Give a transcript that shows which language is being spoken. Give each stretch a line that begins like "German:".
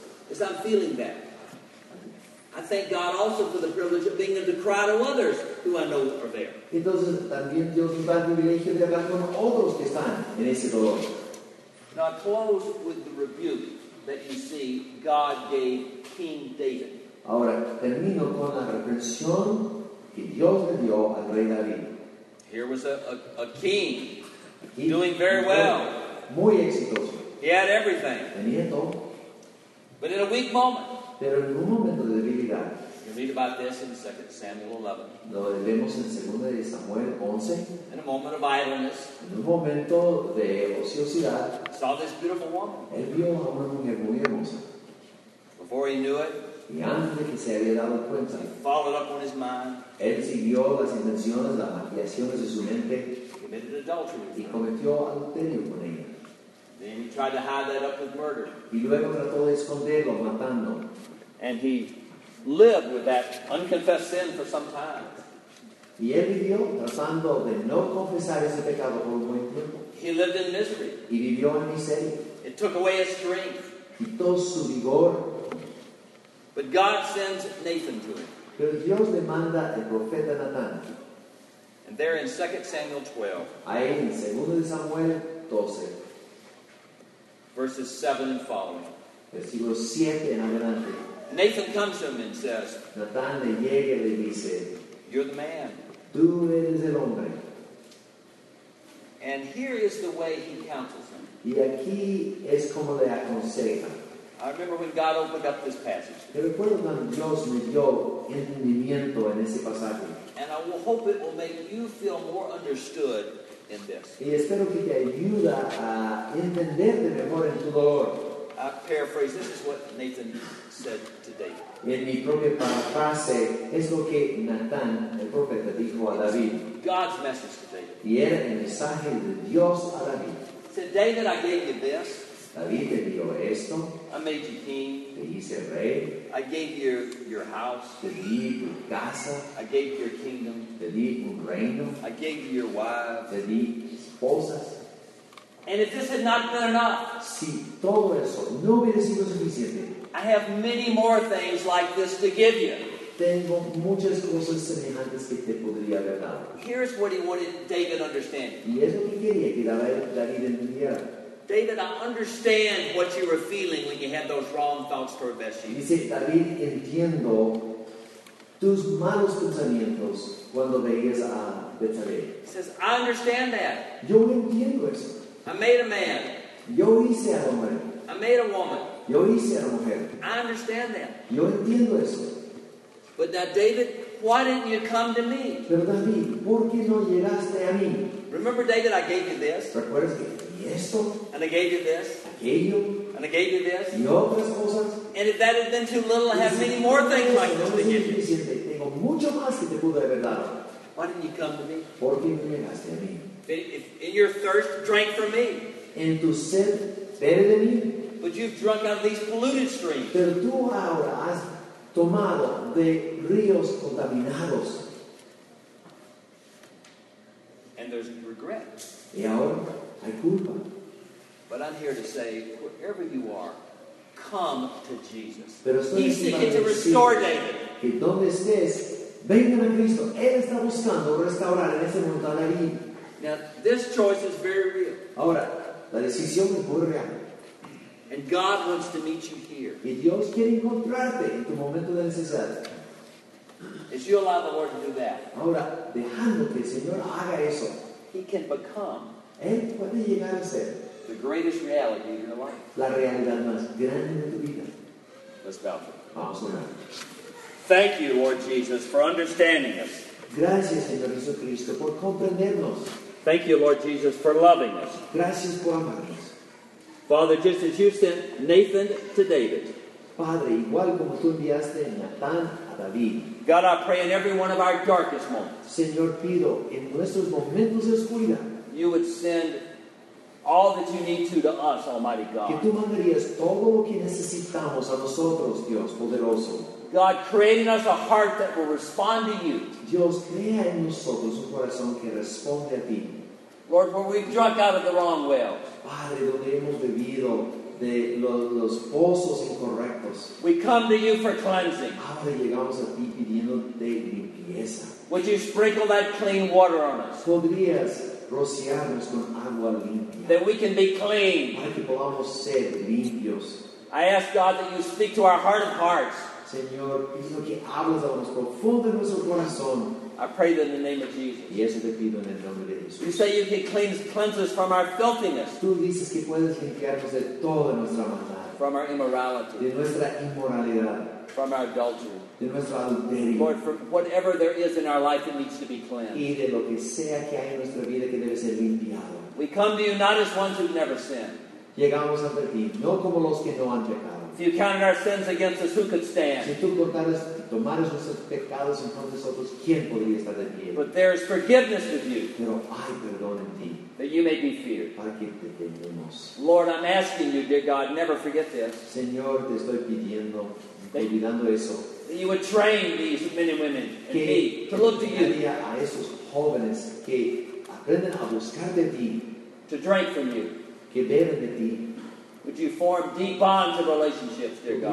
English: as I'm feeling that, I thank God also for the privilege of being able to cry to others who I know are there.
Spanish: Entonces también Dios me da el privilegio de hablar con otros que están en ese dolor.
English: Now I close with the rebuke that you see God gave King David.
Spanish: Ahora termino con la reprensión que Dios le dio al rey David.
English: Here was a king
Spanish: aquí
English: doing very well.
Spanish: Muy exitoso.
English: He had everything.
Spanish: Tenía todo.
English: But in a weak moment.
Spanish: Pero en un momento de debilidad.
English: You read about this in 2 Samuel 11.
Spanish: Lo leemos en 2 Samuel 11.
English: In a moment of idleness.
Spanish: En un momento de ociosidad.
English: Saw this beautiful woman.
Spanish: Él vio a una mujer muy hermosa.
English: Before he knew it.
Spanish: Y antes de que se había dado cuenta.
English: Followed up on his mind.
Spanish: Él siguió las intenciones, las maquinaciones de su mente.
English: Committed adultery.
Spanish: Y cometió adulterio con ella.
English: Then he tried to hide that up with murder.
Spanish: Y luego trató de esconderlo matando.
English: And he lived with that unconfessed sin for some time.
Spanish: Y él vivió tratando de no confesar ese pecado por un buen tiempo.
English: He lived in misery.
Spanish: Y vivió en miseria.
English: It took away his strength.
Spanish: Quitó su vigor.
English: But God sends Nathan to him.
Spanish: Pero Dios le manda el profeta Natán.
English: And there in 2 Samuel 12.
Spanish: Ahí en 2 Samuel 12.
English: Verses 7 and following.
Spanish: Versículo 7 en adelante.
English: Nathan comes to him and says,
Spanish: Natán le llega y le dice,
English: you're the man.
Spanish: Tú eres el hombre.
English: And here is the way he counsels him.
Spanish: Y aquí es como le aconseja.
English: I remember when God opened up this passage.
Spanish: Me recuerdo cuando Dios me dio entendimiento en ese pasaje.
English: And I will hope it will make you feel more understood. In
Spanish: y espero que te ayude a entenderte mejor en tu dolor.
English: I paraphrase, this is what Nathan said to David.
Spanish: En mi propia paraphrase, es lo que Natán, el profeta, dijo a David.
English: God's message to David.
Spanish: Y era el mensaje de Dios a David.
English: Said, David, I gave you this.
Spanish: David te dio esto.
English: I made you king.
Spanish: Te hice rey.
English: I gave you your house.
Spanish: Te di tu casa.
English: I gave you your kingdom.
Spanish: Te di un reino.
English: I gave you your wives.
Spanish: Te di esposas.
English: And if this had not been enough,
Spanish: si todo eso no hubiera sido suficiente,
English: I have many more things like this to give you.
Spanish: tengo muchas cosas semejantes que te podría haber dado.
English: Here's what he wanted David to understand.
Spanish: Y es lo que quería que David entendiera.
English: David, I understand what you were feeling when you had those wrong thoughts toward Bathsheba.
Spanish: Dice David, entiendo tus malos pensamientos cuando veías a Bathsheba.
English: He says, I understand that.
Spanish: Yo entiendo eso.
English: I made a man.
Spanish: Yo hice al hombre.
English: I made a woman.
Spanish: Yo hice a la mujer.
English: I understand that.
Spanish: Yo entiendo eso.
English: But now, David, why didn't you come to me?
Spanish: Pero David, ¿por qué no llegaste a mí?
English: Remember, David, I gave you this.
Spanish: ¿Recuerdas que y esto?
English: And I gave you this.
Spanish: Aquello.
English: And I gave you this.
Spanish: Y otras cosas.
English: And if that had been too little, I have many more things like this to give you.
Spanish: Tengo mucho más que te pude haber dado.
English: Why didn't you come to me?
Spanish: ¿Por qué no llegaste a mí?
English: If in your thirst, drank from me.
Spanish: En tu sed, bebe de mí.
English: But you've drunk out of these polluted streams.
Spanish: Pero tú ahora has tomado de ríos contaminados.
English: And there's regret.
Spanish: Y ahora hay culpa.
English: But I'm here to say, wherever you are, come to Jesus.
Spanish: Pero estoy
English: He's seeking to restore David.
Spanish: Que donde estés, vengan a Cristo. Él está buscando restaurar en ese momento a David.
English: Now, this choice is very real.
Spanish: Ahora, la decisión es muy real.
English: And God wants to meet you here.
Spanish: Y Dios quiere encontrarte en tu momento de necesidad.
English: As you allow the Lord to do that.
Spanish: Ahora, dejando que el Señor haga eso.
English: He can become.
Spanish: Él puede llegar a ser.
English: The greatest reality in your life.
Spanish: La realidad más grande de tu vida.
English: Let's bow for
Spanish: it. Vamos a orar.
English: Thank you, Lord Jesus, for understanding us.
Spanish: Gracias, Señor Jesucristo, por comprendernos.
English: Thank you, Lord Jesus, for loving us.
Spanish: Gracias por amarnos.
English: Father, just as you sent Nathan to David.
Spanish: Padre, igual como tú enviaste a Natán a David.
English: God, I pray in every one of our darkest moments.
Spanish: Señor, pido en nuestros momentos de oscuridad.
English: You would send all that you need to us, Almighty God.
Spanish: Que tú mandarías todo lo que necesitamos a nosotros, Dios poderoso.
English: God, creating us a heart that will respond to you.
Spanish: Dios, crea en nosotros un corazón que responde a ti.
English: Lord, where we've drunk out of the wrong well.
Spanish: Padre, donde hemos bebido de los pozos incorrectos.
English: We come to you for cleansing.
Spanish: Padre, llegamos a ti pidiéndote limpieza.
English: Would you sprinkle that clean water on us?
Spanish: ¿Podrías rociarnos con agua limpia?
English: That we can be clean.
Spanish: Para que podamos ser limpios.
English: I ask God that you speak to our heart of hearts.
Spanish: Señor, pido que hables a los profundos de nuestro corazón.
English: I pray that in the name of Jesus.
Spanish: Y eso te pido en el nombre de Jesús.
English: You say you can cleanse us from our filthiness.
Spanish: Tú dices que puedes limpiarnos de toda nuestra maldad.
English: From our immorality.
Spanish: De nuestra inmoralidad.
English: From our adultery.
Spanish: De nuestra adulterio.
English: Lord, from whatever there is in our life that needs to be cleansed.
Spanish: Y de lo que sea que hay en nuestra vida que debe ser limpiado.
English: We come to you not as ones who've never sinned.
Spanish: Llegamos ante ti, no como los que no han pecado.
English: If you counted our sins against us, who could stand?
Spanish: Si tú contaras, tomaras nuestros pecados en contra de nosotros, ¿quién podría estar de pie?
English: But there is forgiveness with you.
Spanish: Pero hay perdón en ti.
English: That you may be feared.
Spanish: Para que te tengamos.
English: Lord, I'm asking you, dear God, never forget this.
Spanish: Señor, te estoy pidiendo, olvidando eso.
English: That you would train these men and women and me to look to you.
Spanish: Que a esos jóvenes que aprenden a buscar de ti.
English: To drink from you.
Spanish: Que beben de ti.
English: Would you form deep bonds of relationships, dear God?